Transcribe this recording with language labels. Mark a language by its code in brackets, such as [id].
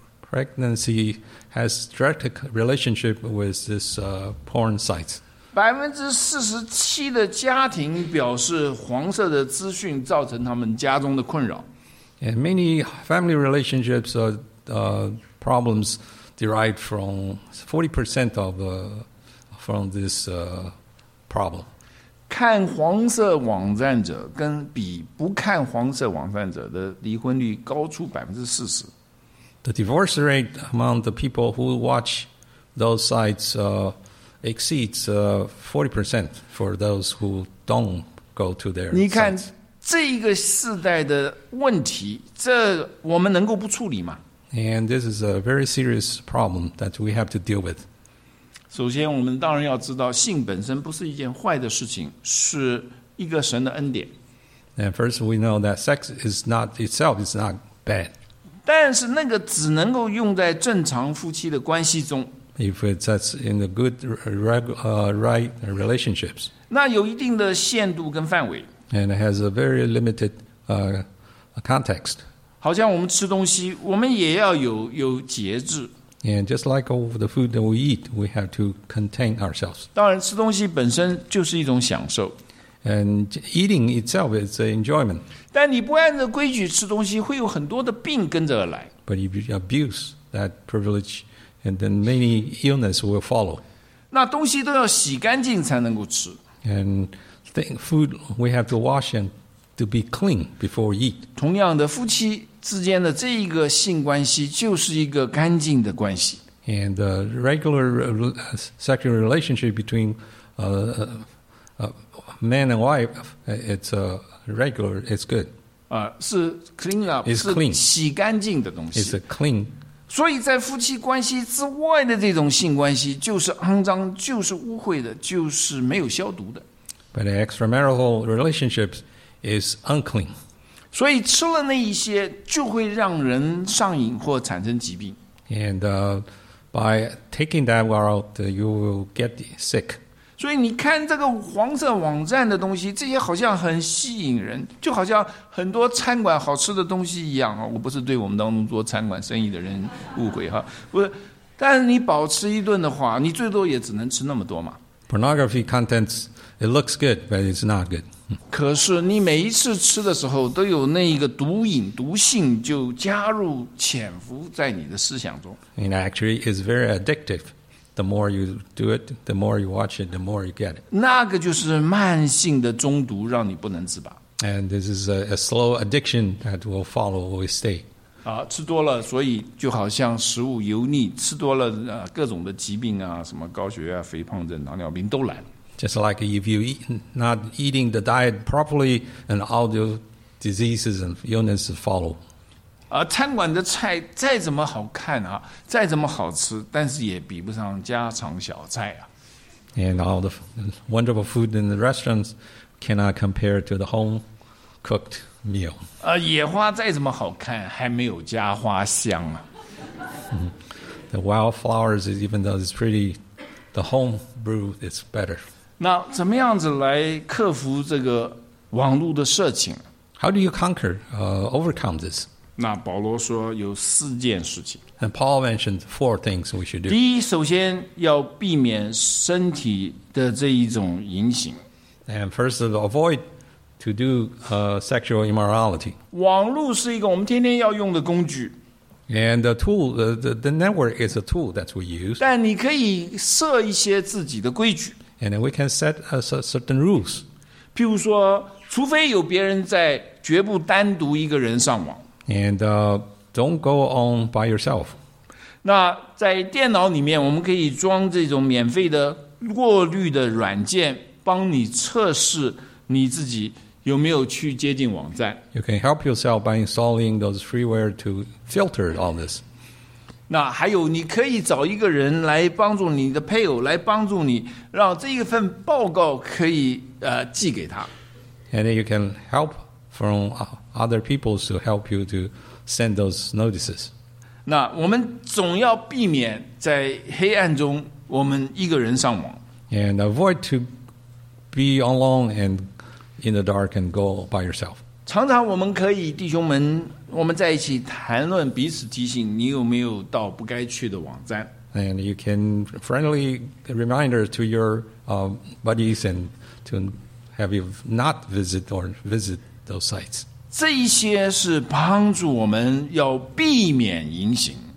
[en] Pregnancy has direct relationship with this porn sites. [zh] 47%的家庭表示黄色的资讯造成他们家中的困扰。 [en] And many family relationships problems derived from 40% of from this problem. [zh] 看黄色网站者跟比不看黄色网站者的离婚率高出40%。 [en] the divorce rate among the people who watch those sites exceeds 40% for those who don't go to their [zh] 你看 [en] sites. [zh] 这一个世代的问题，这我们能够不处理吗？ [en] And this is a very serious problem that we have to deal with. [zh] 首先我们当然要知道性本身不是一件坏的事情，是一个神的恩典。 [en] And first we know that sex is not itself is not bad. [zh] 但是那个只能够用在正常夫妻的关系中。 [en] If it's in the good right relationships. [zh] 那有一定的限度跟范围。 [en] And it has a very limited context. [zh] 好像我们吃东西，我们也要有节制。 [en] And just like all the food that we eat, we have to contain ourselves. [zh] 当然，吃东西本身就是一种享受。 [en] And eating itself is an enjoyment. [zh] 但你不按照规矩吃东西，会有很多的病跟着而来。 [en] But if you abuse that privilege, and then many illness will follow. [zh] 那东西都要洗干净才能够吃。 [en] And food we have to wash and to be clean before we eat. [zh] 同样的，夫妻之间的这一个性关系就是一个干净的关系。 [en] And the regular sexual relationship between man and wife, it's a regular, it's good. [zh] 啊，是 [en] clean up, it's clean. [zh] 是洗干净的东西。 [en] It's a clean. [zh] 所以在夫妻关系之外的这种性关系，就是肮脏，就是污秽的，就是没有消毒的。 [en] But an extramarital relationship is unclean. [zh] 所以吃了那一些就会让人上瘾或产生疾病。 [en] And by taking that route, you will get sick. [zh] 所以你看这个黄色网站的东西，这些好像很吸引人，就好像很多餐馆好吃的东西一样。我不是对我们当中做餐馆生意的人误会哈，不是。但是你饱吃一顿的话，你最多也只能吃那么多嘛。 [en] Pornography contents. It looks good, but it's not good. [zh] 可是你每一次吃的时候都有那一个毒瘾毒性就加入潜伏在你的思想中。 [en] And actually, it's very addictive. The more you do it, the more you watch it, the more you get it. [zh] 那个就是慢性的中毒让你不能自拔。 [en] And this is a slow addiction that will follow or will stay. [zh] 啊，吃多了，所以就好像食物油腻，吃多了各种的疾病啊，什么高血压、肥胖症、糖尿病都来了。 [en] Just like if you not eating the diet properly, and all the diseases and illnesses follow. [zh] 餐馆的菜再怎么好看啊，再怎么好吃，但是也比不上家常小菜啊。 [en] And all the wonderful food in the restaurants cannot compare to the home-cooked meal. [zh] 野花再怎么好看，还没有家花香啊。 [en] The wildflowers, even though it's pretty, the home brew is better. [zh] 那怎么样子来克服这个网络的色情 [en] ？How do you conquer, overcome this? [zh] 那保罗说有四件事情。 [en] And Paul mentioned four things we should do. [zh] 第一，首先要避免身体的这一种淫行。 [en] And first of all, avoid to do sexual immorality. [zh] 网络是一个我们天天要用的工具。 [en] And the tool, the network is a tool that we use. [zh] 但你可以设一些自己的规矩。 [en] And we can set certain rules. [zh] 譬如说，除非有别人在，绝不单独一个人上网。 [en] And don't go on by yourself. [zh] 那在电脑里面，我们可以装这种免费的过滤的软件，帮你测试你自己有没有去接近网站。 [en] You can help yourself by installing those freeware to filter all this. [zh] 那还有你可以找一个人来帮助你的配偶来帮助你让这一份报告可以寄给他。 [en] And you can help from other people to help you to send those notices. [zh] 那我们总要避免在黑暗中我们一个人上网。 [en] And avoid to be alone and in the dark and go by yourself. [zh] 常常我们可以弟兄们我们在一起谈论彼此提醒你有没有到不该去的网站 [en] And you can friendly reminder to your buddies and to have you not visit or visit those sites [zh] 这一些是帮助我们要避免淫行